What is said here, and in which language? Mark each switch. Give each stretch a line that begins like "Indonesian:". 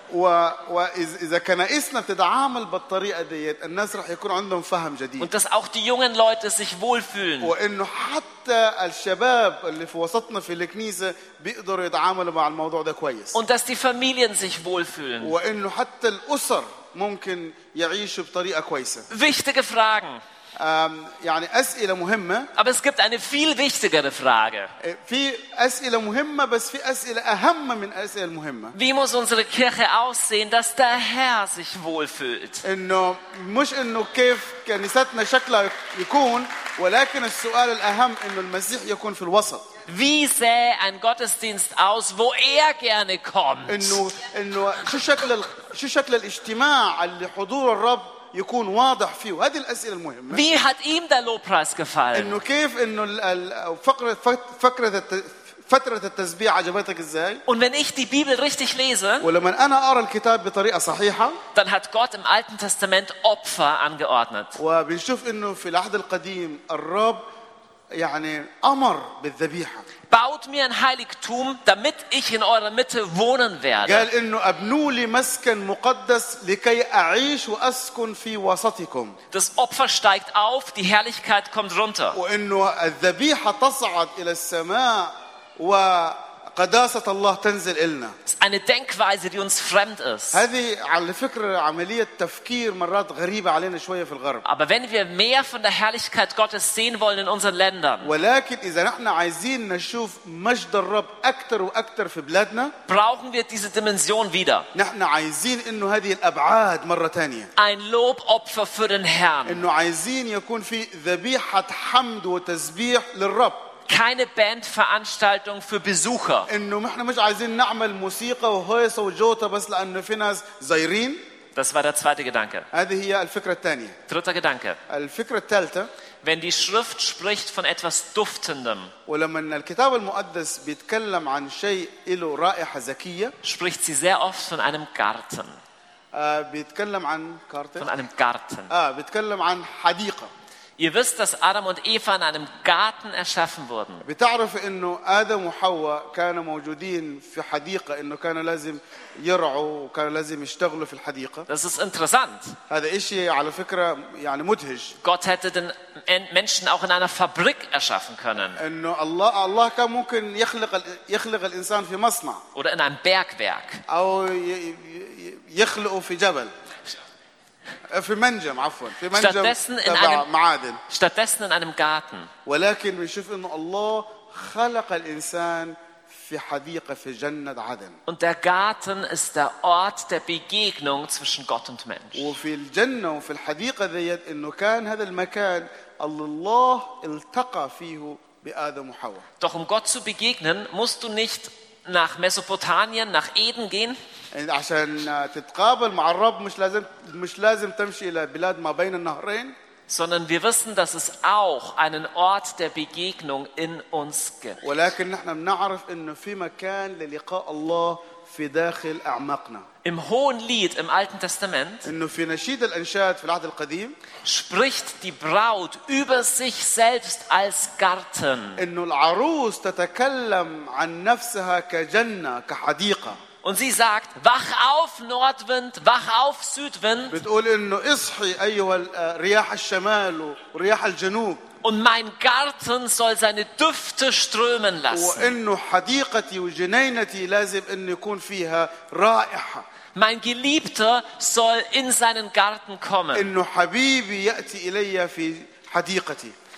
German: Und dass auch die jungen Leute sich wohlfühlen. Und dass die Familien sich wohlfühlen.
Arabic: ممكن يعيشوا بطريقة كويسة.
German: Wichtige Fragen.
Arabic: يعني أسئلة مهمة.
German: Aber es gibt eine viel wichtigere Frage.
Arabic: في أسئلة مهمة بس في أسئلة أهم من أسئلة مهمة.
German: Wie muss unsere Kirche aussehen, dass der Herr sich wohlfühlt?
Arabic: إنه مش إنه كيف كنيستنا شكلها يكون ولكن السؤال الأهم إنه المسيح يكون في الوسط.
German: Wie sähe ein Gottesdienst aus, wo er gerne kommt?
Arabic: إنه شو شكل الاجتماع اللي حضور الرب يكون واضح فيه هذه الأسئلة المهمة.
German: Wie hat ihm der Lobpreis gefallen?
Arabic: إنه كيف إنه فقرة فترة التسبيح عجبتك إزاي؟
German: Und wenn ich die Bibel richtig lese,
Arabic: ولما أنا أرى الكتاب بطريقة صحيحة,
German: dann hat Gott im Alten Testament Opfer angeordnet.
Arabic: وبنشوف إنه في العهد القديم الرب يعني أمر بالذبيحة.
German: Baut mir ein Heiligtum, damit ich in eurer Mitte wohnen werde.
Arabic: قال إنه أبنوا لي مسكن مقدس لكي أعيش وأسكن في وسطكم.
German: Das Opfer steigt auf, die Herrlichkeit kommt runter.
Arabic: وإنه الذبيحة تصعد إلى السماء وقداسة الله تنزل إلنا.
German: It's eine Denkweise, die uns fremd ist.
Arabic: هذه على فكرة عملية تفكير مرات غريبة علينا شوية في الغرب.
German: Aber wenn wir mehr von der Herrlichkeit Gottes sehen wollen in unseren Ländern,
Arabic: ولكن إذا نحن عايزين نشوف مجد الرب أكثر وأكثر في بلادنا,
German: brauchen wir diese Dimension wieder.
Arabic: نحن عايزين إنه هذه الأبعاد مرة تانية.
German: Ein Lobopfer für den Herrn.
Arabic: إنه عايزين يكون في ذبيحة حمد وتسبيح للرب.
German: Keine Bandveranstaltung für Besucher.
Arabic: إنه إحنا مش عايزين نعمل موسيقى وهيصة وجوتة بس لأنه في ناس زايرين.
German: Das war der zweite Gedanke.
Arabic: هذه هي الفكرة الثانية.
German: Dritter Gedanke.
Arabic: الفكرة الثالثة.
German: Wenn die Schrift spricht von etwas Duftendem.
Arabic: ولما الكتاب المقدس بيتكلم عن شيء له رائحة زكية.
German: Spricht sie sehr oft von einem Garten.
Arabic: بيتكلم عن كارتن.
German: Von einem Garten.
Arabic: بيتكلم عن حديقة.
German: Ihr wisst, dass Adam und Eva in einem Garten erschaffen wurden.
Arabic: بتعرف إنه آدم وحواء كانوا موجودين في حديقة إنه كانوا لازم يرعوا وكانوا لازم يشتغلوا في الحديقة.
German: Das ist interessant.
Arabic: هذا إشي على فكرة يعني مدهش.
German: Gott hätte den Menschen auch in einer Fabrik erschaffen können.
Arabic: إنه الله كان ممكن يخلق الإنسان في مصنع.
German: Oder in einem Bergwerk.
Arabic: أو يخلقوا في جبل. في منجم عفوا في منجم تبع معادن
German: stattdessen in einem garten
Arabic: ولكن بنشوف انه الله خلق الانسان في حديقه في جنه عدن
German: und der garten ist der ort der begegnung zwischen gott und mensch
Arabic: وفي الجنه وفي الحديقه ذيت انه كان هذا المكان الله التقى فيه بادم وحواء
German: doch um gott zu begegnen musst du nicht nach Mesopotamien, nach Eden gehen.
Arabic: عشان تتقابل مع الرب مش لازم تمشي إلى بلاد ما بين النهرين.
German: Sondern wir wissen, dass es auch einen Ort der Begegnung in uns gibt.
Arabic: ولكن نحن بنعرف إنه في مكان للقاء الله في داخل أعماقنا.
German: Im Hohen Lied im Alten Testament.
Arabic: إنه في نشيد الأنشاد في العهد القديم.
German: Spricht die Braut über sich selbst als Garten.
Arabic: إنه العروس تتكلم عن نفسها كجنة كحديقة.
German: Und sie sagt: Wach auf Nordwind, wach auf Südwind.
Arabic: بتقول إنه اصحي أيها رياح الشمال ورياح الجنوب.
German: Und mein Garten soll seine Düfte strömen lassen.
Arabic: وإنه حديقتي وجنينتي لازم إنه يكون فيها رائحة.
German: Mein Geliebter soll in seinen Garten kommen.
Arabic: إنه حبيبي يأتي إلي في حديقتي.